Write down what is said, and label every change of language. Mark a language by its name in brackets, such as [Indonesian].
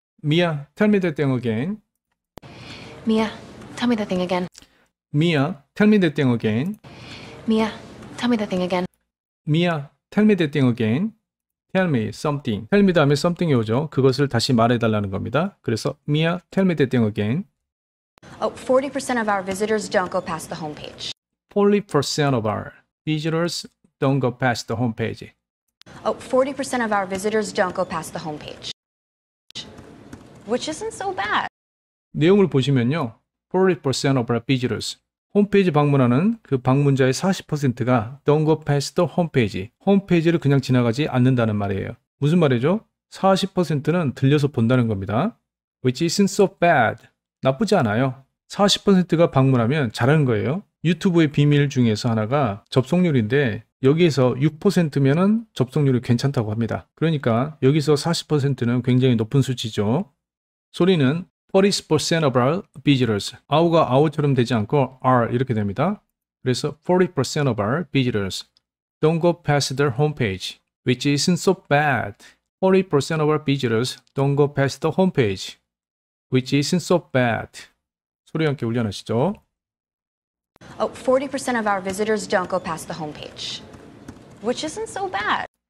[English] Mia, tell me that thing again. Mia, tell me the thing again. Mia, tell me that thing again. Mia, tell me the thing again. Mia, tell me that thing again. Tell me something. Tell me [Korean] 다음에 something이 오죠. 그것을 다시 말해달라는 겁니다. [English] 그래서 Mia, tell me that thing again. Oh, 40% of our visitors don't go past the homepage. 40% of our visitors don't go past the homepage. Oh, 40% of our visitors don't go past the homepage. Which isn't so bad. [Korean] 내용을 보시면요. [English] 40% of our visitors. [Korean] 홈페이지 방문하는 그 방문자의 40%가 [English] don't go past the homepage. [Korean] 홈페이지를 그냥 지나가지 않는다는 말이에요. 무슨 말이죠? 40%는 들려서 본다는 겁니다. [English] Which isn't so bad. [Korean] 나쁘지 않아요. 40%가 방문하면 잘하는 거예요. 유튜브의 비밀 중에서 하나가 접속률인데 여기에서 6%면은 접속률이 괜찮다고 합니다. 그러니까 여기서 40%는 굉장히 높은 수치죠. 소리는 [English] 40% of our visitors. [Korean] 아우가 아우처럼 되지 않고 are 이렇게 됩니다. [English] 그래서 40% of our visitors don't go past their homepage, which isn't so bad. 40% of our visitors don't go past the homepage, which isn't so bad. [Korean] 소리 함께 훈련하시죠. [English] Oh, 40% of our visitors don't go past the homepage, which isn't so bad.